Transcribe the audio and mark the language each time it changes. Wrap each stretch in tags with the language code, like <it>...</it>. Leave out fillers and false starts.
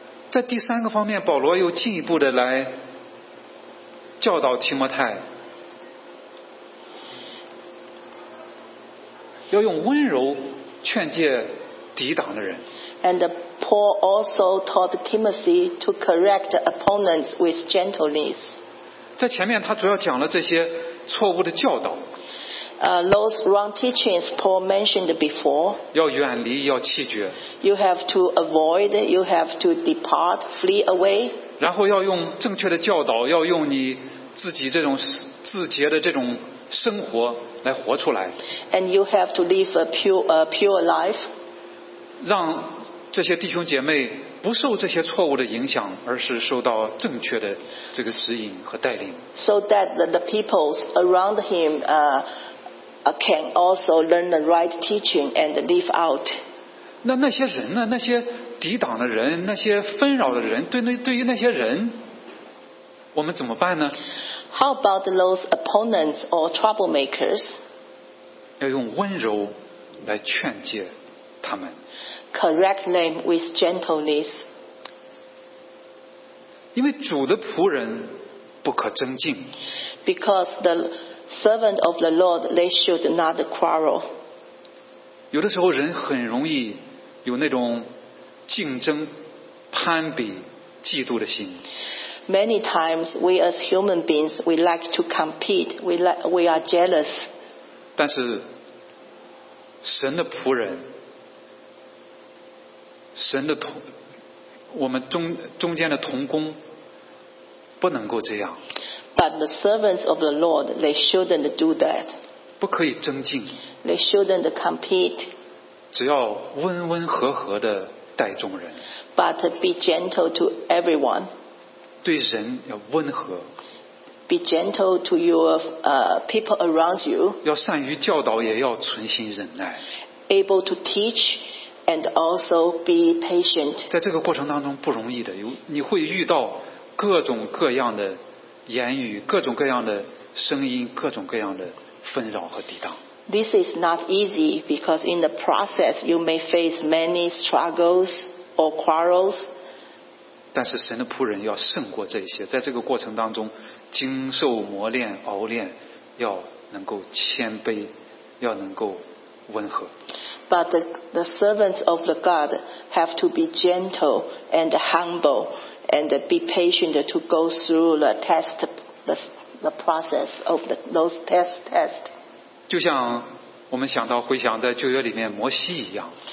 <zh>在第三个方面，保罗又进一步的来教导提摩太，要用温柔劝诫抵挡的人。</zh> <en>And Paul also taught Timothy to correct opponents with gentleness.</en> <zh>在前面他主要讲了这些错误的教导。</zh> <en>Those wrong teachings Paul mentioned before.</en> <zh>要远离，要弃绝。</zh> <en>You have to avoid. You have to depart, flee away.</en> <zh>然后要用正确的教导，要用你自己这种自洁的这种生活来活出来。</zh> <en>And you have to live a pure life.</en> <zh>让这些弟兄姐妹不受这些错误的影响，而是受到正确的这个指引和带领。</zh> <en>So that the peoples around him, can also learn the right teaching and live out.</en> <zh>那些人呢？那些抵挡的人，那些纷扰的人，对于那些人，我们怎么办呢？</zh> <en>How about those opponents or troublemakers?</en> <zh>要用温柔来劝诫他们。</zh> <en>Correct them with gentleness.</en> <zh>因为主的仆人不可争竞。</zh> <en>Because the servant of the Lord, they should not quarrel.</en> <zh>有的时候人很容易有那种竞争、攀比、嫉妒的心。</zh> <en>Many times we as human beings, we like to compete, we are jealous.</en> <zh>但是神的仆人，神的同，我们中间的同工不能够这样。</zh> <en>But the servants of the Lord, they shouldn't do that.</en> <zh>不可以争竞。</zh> <en>They shouldn't compete.</en> <zh>只要温温和和的待众人。</zh> <en>But be gentle to everyone.</en> <zh>对人要温和。</zh> <en>Be gentle to your people around you.</en> <zh>要善于教导，也要存心忍耐。</zh> <en>Able to teach and also be patient.</en> <zh>在这个过程当中不容易的，你会遇到各种各样的言语，各种各样的声音，各种各样的纷扰和抵挡。</zh> <en>This is not easy because in the process you may face many struggles or quarrels.</en> <zh>但是神的仆人要胜过这些，在这个过程当中经受磨练熬练，要能够谦卑，要能够温和。</zh> <en>But the servants of the God have to be gentle and humble. And be patient to go through the test, the process of those tests.</en> <zh>就像我们想到回想在旧约里面摩西一样。</zh>